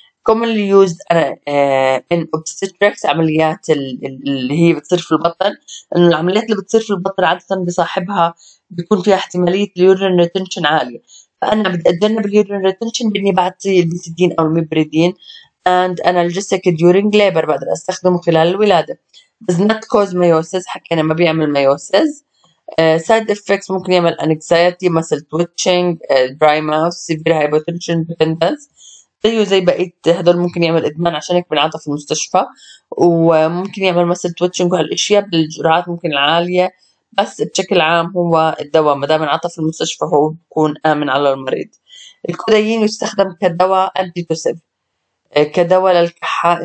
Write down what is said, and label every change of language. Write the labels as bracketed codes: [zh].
[en] commonly used in obstetrics، [ar] عمليات اللي هي بتصير في البطن، إنه العمليات اللي بتصير في البطن عادة بصاحبها بيكون فيها احتمالية urine retention عالية، انا بدي اتجنب اليورين ريتنشن باني بعطي البيسيدين او المبريدين [en] and analgesic during labour, [ar] بقدر استخدمه خلال الولاده. [en] Does not cause meiosis، [ar] حكينا ما بيعمل [en] meiosis. Side effects ممكن يعمل anxiety, muscle twitching, dry mouth, severe hypotension, dependence. [ar] زيه زي بقية هدول، ممكن يعمل إدمان عشان هيك بنعطى في المستشفى، وممكن يعمل [en] muscle twitching [ar] وهالأشياء بالجرعات ممكن العالية. بس بشكل عام هو الدواء ما دام انعطى في المستشفى هو بيكون آمن على المريض. الكوديين يستخدم كدواء antitussive، كدواء للكحة.